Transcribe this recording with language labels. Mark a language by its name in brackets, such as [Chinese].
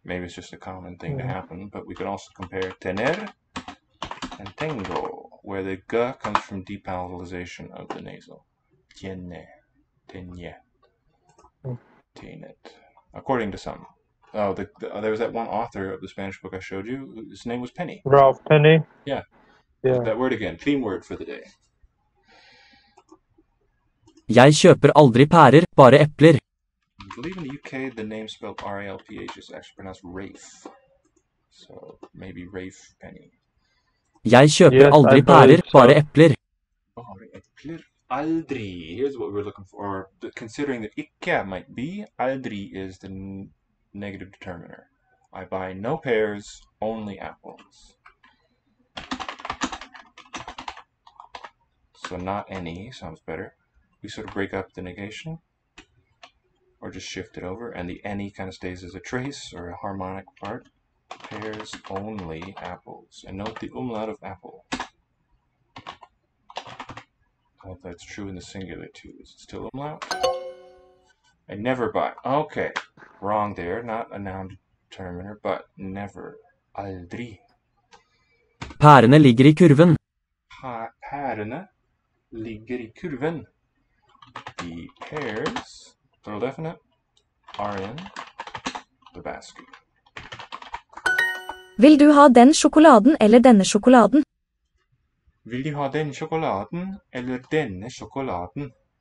[English] Maybe it's just a common thing to happen, but we could also compare tener and tengo, where the g comes from depalatalization of the nasal. Tiene, tenye, tenet, according to some. Oh, there was that one author of the Spanish book I showed you. His name was Penny. Ralph Penny. Yeah. Yeah. That word again, theme word for the day. [Norwegian] Jeg kjøper aldri pærer, bare epler. [English] I believe in the UK, the name spelled R-A-L-P-H is actually pronounced Rafe. So, maybe Rafe Penny. [Norwegian] Jeg kjøper aldri pærer, bare epler. Bare epler? Aldri. [English] Here's what we're looking for. Or, considering that ikke might be, aldri is the negative determiner. I buy no pears, only apples. So not any, sounds better. We sort of break up the negation, or just shift it over, and the any kind of stays as a trace, or a harmonic part. Pears only apples. And note the umlaut of apple. Well, that's true in the singular too. Is it still umlaut? And never buy. Okay, wrong there. Not a noun determiner, but never. Aldri. [Norwegian] Pærene ligger I kurven. Pærene ligger I kurven. [English] The pears, plural definite, are in the basket. [Norwegian] Vil du ha den sjokoladen eller denne sjokoladen? Vil du ha den sjokoladen eller denne sjokoladen?